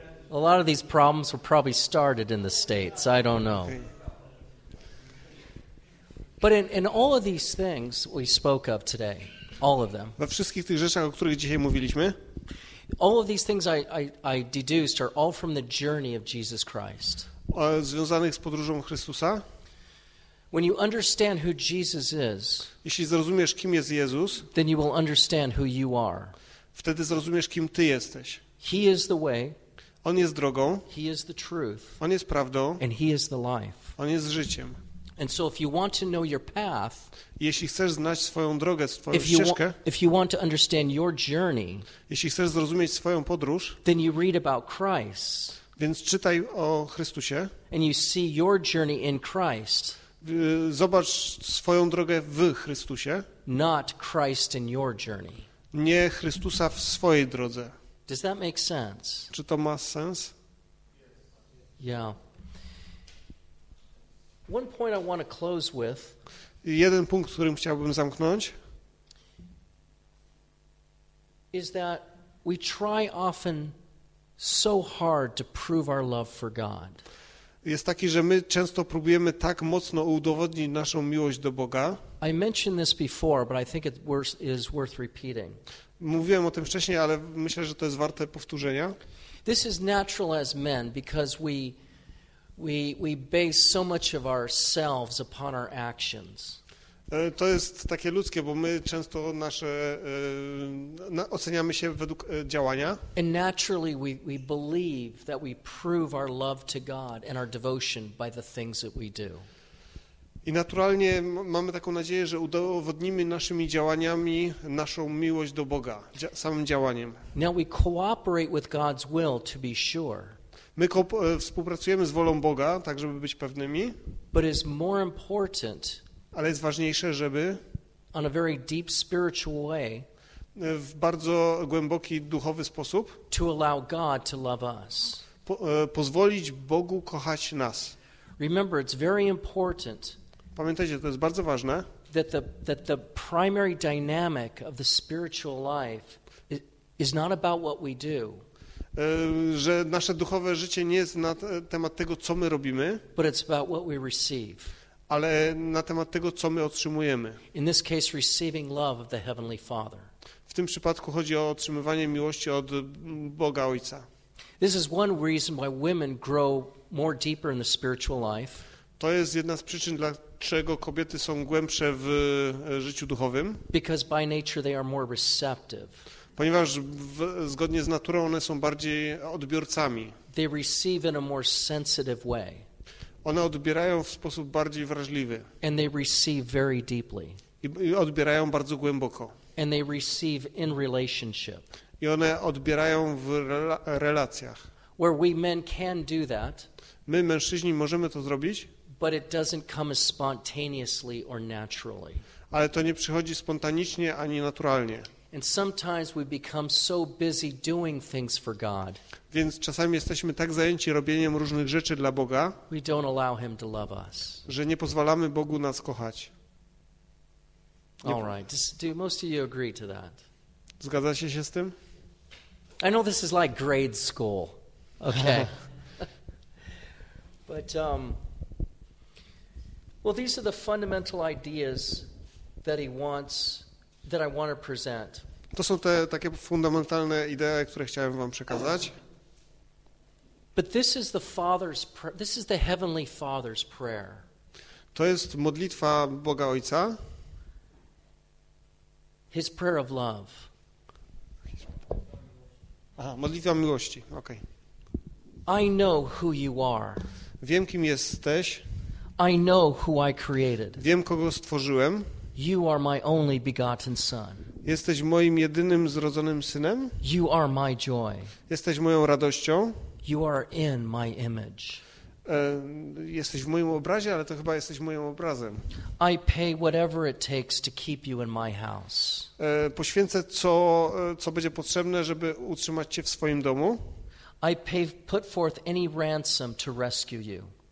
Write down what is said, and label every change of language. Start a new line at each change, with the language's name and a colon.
English: A lot of these problems were probably started in the States. I don't know. Okay. But in all of these things we spoke of today, all of them.
Polish: We wszystkich tych rzeczach, o których dzisiaj mówiliśmy.
English: All of these things I deduced are all from the journey of Jesus Christ.
Polish: Związanych z podróżą Chrystusa.
English: When you understand who Jesus is,
Polish: jeśli zrozumiesz, kim jest Jezus,
English: then you will understand who you are.
Polish: Wtedy zrozumiesz, kim ty jesteś.
English: He is the way.
Polish: On jest drogą.
English: He is the truth.
Polish: On jest prawdą.
English: And he is the life.
Polish: On jest życiem.
English: And so if you want to know your path,
Polish: jeśli chcesz znać swoją drogę, swoją ścieżkę,
English: if you want to understand your journey,
Polish: jeśli chcesz zrozumieć swoją podróż,
English: then you read about Christ.
Polish: Więc czytaj o Chrystusie.
English: And you see your journey in Christ.
Polish: Zobacz swoją drogę w Chrystusie.
English: Not Christ in your journey.
Polish: Nie Chrystusa w swojej drodze.
English: Does that make sense?
Polish: Czy to ma sens?
English: Yeah. One point I want to close with.
Polish: Jeden punkt, którym chciałbym zamknąć,
English: is that we try often so hard to prove our love for God.
Polish: Jest taki, że my często próbujemy tak mocno udowodnić naszą miłość do Boga.
English: I mentioned this before, but I think it is worth repeating.
Polish: Mówiłem o tym wcześniej, ale myślę, że to jest warte powtórzenia.
English: This is natural as men because we base so much of ourselves upon our actions.
Polish: To jest takie ludzkie, bo my często nasze oceniamy się według działania.
English: And naturally we believe that we prove our love to God and our devotion by the things that we do.
Polish: I naturalnie mamy taką nadzieję, że udowodnimy naszymi działaniami naszą miłość do Boga, samym działaniem.
English: Now we cooperate with God's will to be sure.
Polish: My współpracujemy z wolą Boga, tak żeby być pewnymi.
English: But it's more important.
Polish: Ale jest ważniejsze, żeby
English: on a very deep spiritual way,
Polish: w bardzo głęboki duchowy sposób,
English: to allow God to love us.
Polish: Pozwolić Bogu kochać nas.
English: Remember, it's very important.
Polish: Pamiętajcie, to jest bardzo ważne.
English: That the primary dynamic of the spiritual life is not about what we do.
Polish: Że nasze duchowe życie nie jest na temat tego, co my robimy,
English: but it's about what we receive.
Polish: Ale na temat tego, co my otrzymujemy.
English: In this case, receiving love of the Heavenly Father.
Polish: W tym przypadku chodzi o otrzymywanie miłości od Boga Ojca.
English: This is one reason why women grow more deeper in the spiritual life.
Polish: To jest jedna z przyczyn, dlaczego kobiety są głębsze w życiu duchowym.
English: Because by nature they are more receptive.
Polish: Ponieważ zgodnie z naturą one są bardziej odbiorcami.
English: They receive in a more sensitive way.
Polish: One odbierają w sposób bardziej wrażliwy.
English: And they receive very deeply.
Polish: I odbierają bardzo głęboko.
English: And they receive in relationship.
Polish: I one odbierają w relacjach.
English: Where we men can do that.
Polish: My, mężczyźni, możemy to zrobić,
English: but it doesn't come spontaneously or naturally.
Polish: Ale to nie przychodzi spontanicznie ani naturalnie.
English: And sometimes we become so busy doing things for God.
Polish: Więc czasami jesteśmy tak zajęci robieniem różnych rzeczy dla Boga,
English: we don't allow him to love us.
Polish: Że nie pozwalamy Bogu nas kochać. Nie.
English: All right. Do most of you agree to that?
Polish: Zgadzacie się z tym?
English: I know this is like grade school. Okay. But well, these are the fundamental ideas that he wants, that I want to present.
Polish: To są te takie fundamentalne idee, które chciałem wam przekazać.
English: But this is the Father's this is the Heavenly Father's prayer.
Polish: To jest modlitwa Boga Ojca.
English: His prayer of love.
Polish: Aha, modlitwa miłości. Okay.
English: I know who you are.
Polish: Wiem, kim jesteś.
English: I know who I created.
Polish: Wiem, kogo stworzyłem.
English: You are my only begotten son.
Polish: Jesteś moim jedynym zrodzonym synem.
English: You are my joy.
Polish: Jesteś moją radością.
English: You are in my image.
Polish: Jesteś w moim obrazie, ale to chyba jesteś moim obrazem.
English: I pay whatever it takes to keep you in my house.
Polish: Poświęcę co, co będzie potrzebne, żeby utrzymać cię w swoim domu.
English: I pay, put forth any ransom to rescue you.